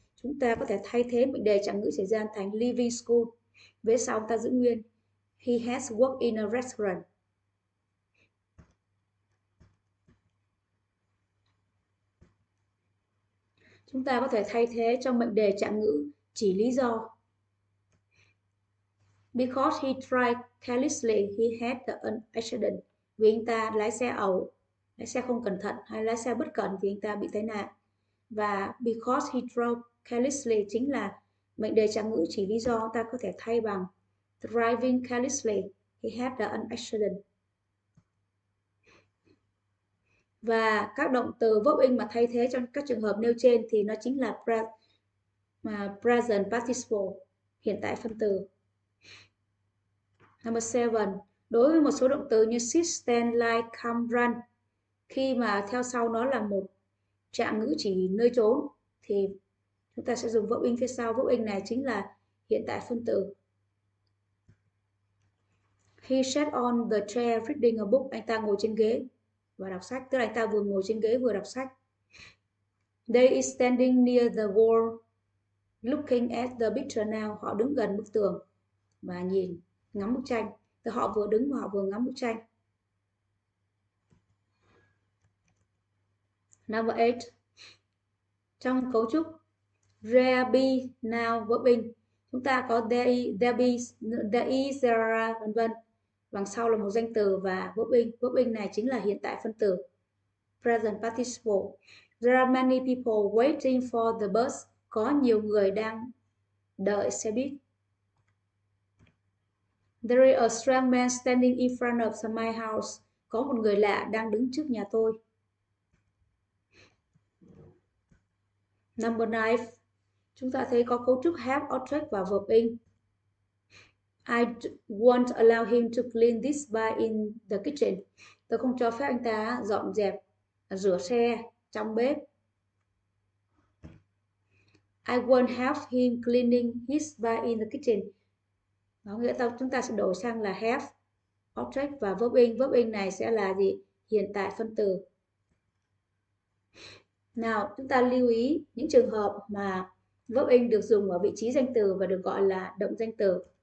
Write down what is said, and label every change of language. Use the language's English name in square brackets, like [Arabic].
[Vietnamese] Chúng ta có thể thay thế mệnh đề trạng ngữ chỉ thời gian thành leaving school. Vế sau ta giữ nguyên. [English] He has worked in a restaurant. [Vietnamese] Chúng ta có thể thay thế cho mệnh đề trạng ngữ chỉ lý do. [English] Because he tried carelessly, he had an accident. [Vietnamese] Vì anh ta lái xe ẩu, lái xe không cẩn thận hay lái xe bất cẩn thì anh ta bị tai nạn. Và because he drove carelessly chính là mệnh đề trạng ngữ chỉ lý do, ta có thể thay bằng [English] driving carelessly, he had an accident. [Vietnamese] Và các động từ verb in mà thay thế trong các trường hợp nêu trên thì nó chính là present participle, hiện tại phân từ. Number 7. Đối với một số động từ như sit, stand, lie, come, run, khi mà theo sau nó là một trạng ngữ chỉ nơi trốn thì chúng ta sẽ dùng verb in phía sau. Verb in này chính là hiện tại phân từ. [English] He sat on the chair reading a book. [Vietnamese] Anh ta ngồi trên ghế và đọc sách, tức là anh ta vừa ngồi trên ghế vừa đọc sách. [English] They is standing near the wall, looking at the picture now. [Vietnamese] Họ đứng gần bức tường và nhìn ngắm bức tranh. Thì họ vừa đứng và họ vừa ngắm bức tranh. Number 8. Trong cấu trúc there be now verb in, chúng ta có there be, there is, vân vân. Đằng sau là một danh từ và verb in này chính là hiện tại phân từ present participle. [English] There are many people waiting for the bus. [Vietnamese] Có nhiều người đang đợi xe buýt. [English] There is a strange man standing in front of my house. [Vietnamese] Có một người lạ đang đứng trước nhà tôi. Number 9. Chúng ta thấy có cấu trúc have, object và verb in. [English] I won't allow him to clean this bike in the kitchen. [Vietnamese] Tôi không cho phép anh ta dọn dẹp, rửa xe trong bếp. [English] I won't help him cleaning his bike in the kitchen. [Vietnamese] Có nghĩa là chúng ta sẽ đổi sang là have, object và verb in. Verb in này sẽ là gì? Hiện tại phân từ. Nào, chúng ta lưu ý những trường hợp mà verb in được dùng ở vị trí danh từ và được gọi là động danh từ.